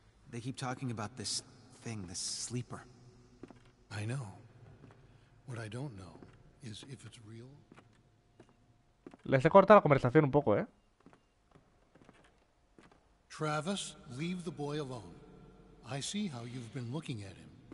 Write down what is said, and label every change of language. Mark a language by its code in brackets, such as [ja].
[en] They keep talking about this thing, this sleeper. I know. What I don't know is if it's real. [es] Les he cortado la conversación un poco, ¿eh? [en] Travis, leave the boy alone. I see how you've been looking at him.